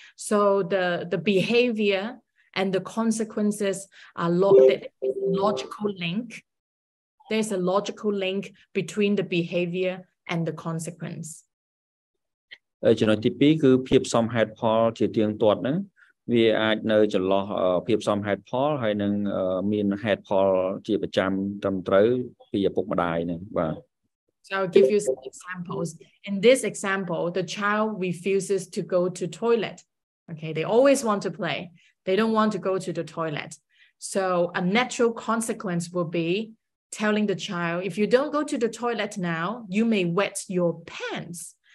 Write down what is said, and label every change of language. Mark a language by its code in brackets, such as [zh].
[en] So the behavior and the consequences are logical link. There's a logical link between the behavior and the consequence. [km] ចំណុចទី 2 គឺ ភាព សម ហេតុ ផល ជា ទៀង ទាត់ ហ្នឹង វា អាច នៅ ចន្លោះ ភាព សម ហេតុ ផល ហើយ នឹង មាន ហេតុ ផល ជា ប្រចាំ ត្រឹម ត្រូវ ពី ឪពុក ម្ដាយ ហ្នឹង បាទ [en] So I'll give you some examples. In this example, the child refuses to go to toilet. Okay, they always want to play. They don't want to go to the toilet. So a natural consequence will be telling the child, if you don't go to the toilet now, you may wet your pants.